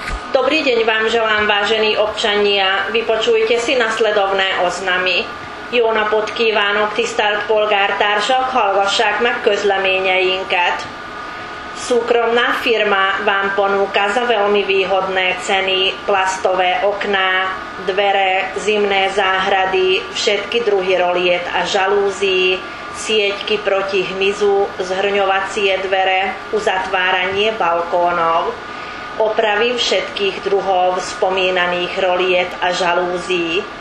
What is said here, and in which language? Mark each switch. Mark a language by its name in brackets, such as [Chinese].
[Slovak] Dobrý deň vám želám, vážení občania. Vypočujte si nasledovné oznamy. [Hungarian] Jó napot kívánok, tisztelt polgártársak, hallgassák meg közleményeinket. [Slovak] Súkromná firma vám ponúka za veľmi výhodné ceny plastové okná, dvere, zimné záhrady, všetky druhy roliet a žalúzí, sieťky proti hmyzu, zhrňovacie dvere, uzatváranie balkónov, opravy všetkých druhov spomínaných roliet a žalúzí.